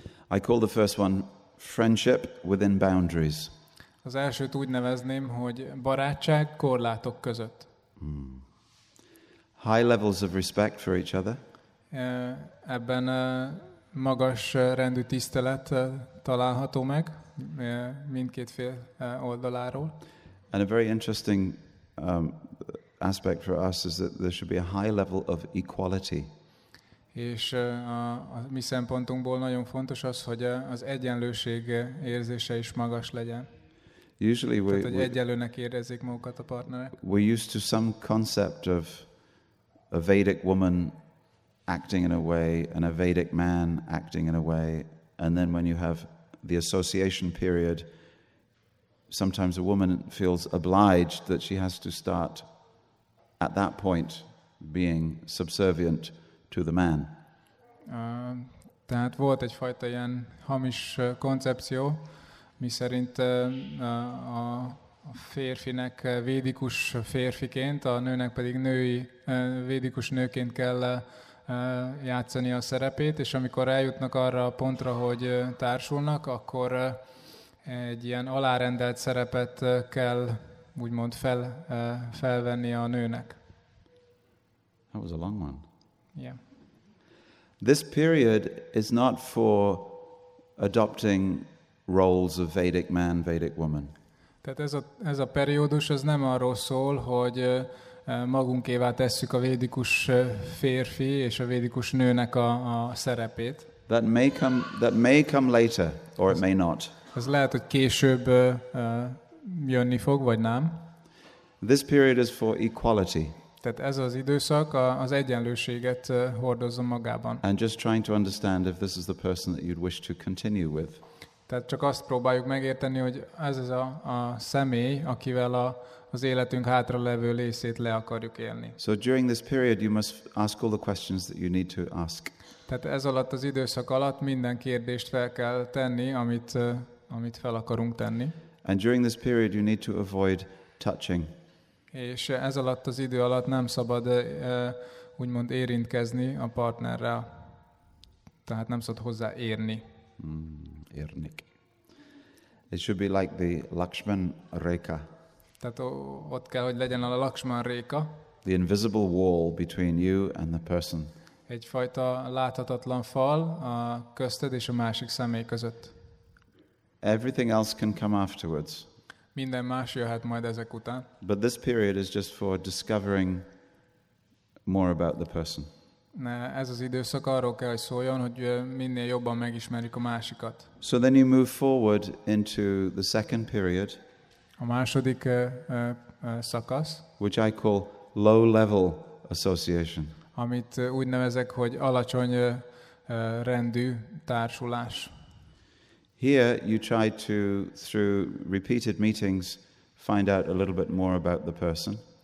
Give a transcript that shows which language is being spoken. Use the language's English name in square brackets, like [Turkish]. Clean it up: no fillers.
[English] I call the first one friendship within boundaries. [Hungarian] Az elsőt úgy nevezném, hogy barátság korlátok között. [English] High levels of respect for each other. [Hungarian] Ebben magas rendű tisztelet található meg mindkét fél oldaláról. [English] And a very interesting aspect for us is that there should be a high level of equality. [Hungarian] És a mi szempontunkból nagyon fontos az, hogy az egyenlőség érzése is magas legyen. [English] Usually we, [Hungarian] tehát, hogy egyenlőnek érezzék magukat a partnerek. [English] We're used to some concept of a Vedic woman acting in a way and a Vedic man acting in a way, and then when you have the association period, sometimes a woman feels obliged that she has to start at that point being subservient to the man. [Hungarian] Tehát volt egyfajta ilyen hamis koncepció, miszerint a férfinek védikus férfiként, a nőnek pedig női védikus nőként kell játszani a szerepét, és amikor eljutnak arra a pontra, hogy társulnak, akkor egy ilyen alárendelt szerepet kell úgymond felvenni a nőnek. [English] That was a long one. Yeah. This period is not for adopting roles of Vedic man, Vedic woman. [Hungarian] Tehát ez a periódus az nem arról szól, hogy magunkévá tesszük a védikus férfi és a védikus nőnek a szerepét. [English] That may come later, or it may not. [Hungarian] Ez lehet, hogy később jönni fog, vagy nem. [English] This period is for equality. [Hungarian] Tehát ez az időszak az egyenlőséget hordozza magában. [English] And just trying to understand if this is the person that you'd wish to continue with. [Hungarian] Tehát csak azt próbáljuk megérteni, hogy ez az a személy, akivel az életünk hátra levő részét le akarjuk élni. [English] So during this period you must ask all the questions that you need to ask. [Hungarian] Tehát ez alatt az időszak alatt minden kérdést fel kell tenni, amit fel akarunk tenni. [English] And during this period you need to avoid touching. [Hungarian] És ez alatt az idő alatt nem szabad úgymond érintkezni a partnerrel. Tehát nem szabad hozzá érni. Érnik. [English] It should be like the Lakshman Rekha. [Hungarian] Tehát ott kell, hogy legyen a Lakshman Rekha. [English] The invisible wall between you and the person. [Hungarian] Egyfajta láthatatlan fal a közted és a másik személy között. [English] Everything else can come afterwards. [Hungarian] Minden más jöhet majd ezek után. [English] But this period is just for discovering more about the person. [Hungarian] Ez az időszak arról kell, hogy szóljon, hogy minél jobban megismerjük a másikat. [English] So then you move forward into the second period. [Hungarian] A második szakasz. [English] Which I call low level association. [Hungarian] Amit úgy nevezek, hogy alacsony rendű társulás. [English] Here you try to, through repeated meetings, find out a little bit more about the person.